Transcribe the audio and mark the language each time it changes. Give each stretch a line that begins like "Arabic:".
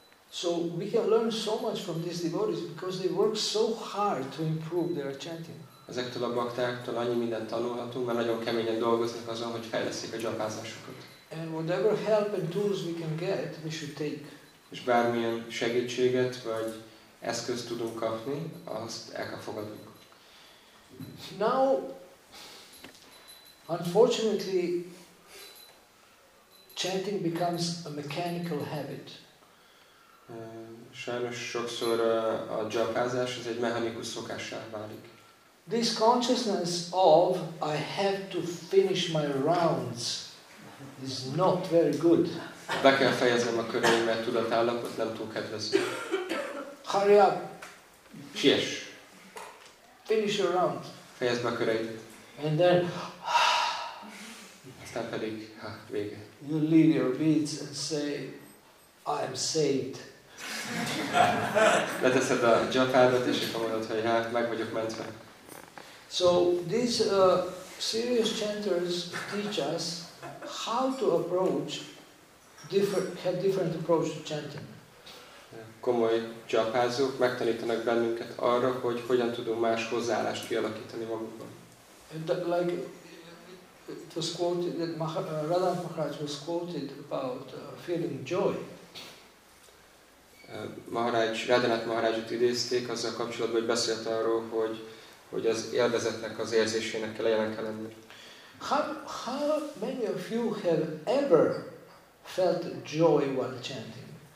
English: So we can learn so much from these devotees because they work so hard to improve their chanting.
Hungarian: Ezektől a baktáktól annyi mindent tanulhatunk, mert nagyon keményen dolgoznak azon, hogy fejleszik a japázásukat.
English: And whatever help and tools we can get, we should take.
Hungarian: És bármilyen segítséget vagy eszközt tudunk kapni, azt el kell fogadnunk.
English: Now, unfortunately, chanting becomes a mechanical habit.
Hungarian: Sajnos sokszor a japázás az egy mechanikus szokássá válik.
English: This consciousness of I have to finish my rounds is not very good.
Hungarian: Be kell fejeznem a köreimet, tudatállapot nem túl kedvező.
English: Hurry up.
Hungarian: Siess.
English: Finish your round.
Hungarian: Fejezd be a köreid.
English: And then.
Hungarian: Aztán pedig, vége.
English: You leave your beads and say, I am saved.
Hungarian: Leteszed a japádat, és akkor mondod, hogy hát, meg vagyok mentve.
English: So, these serious chanters teach us how to approach, have different approach to chanting.
Hungarian: Komoly japázók megtanítanak bennünket arra, hogy hogyan tudunk más hozzáállást kialakítani magunkban.
English: Like was quoted that Radhan Maharaj was quoted about feeling joy.
Hungarian: Radhanath Maharajot idézték azzal kapcsolatban, hogy beszélt arról, hogy az élvezetnek az érzésének kell jelen kell lenni.
English: How many of you have ever felt joy while chanting?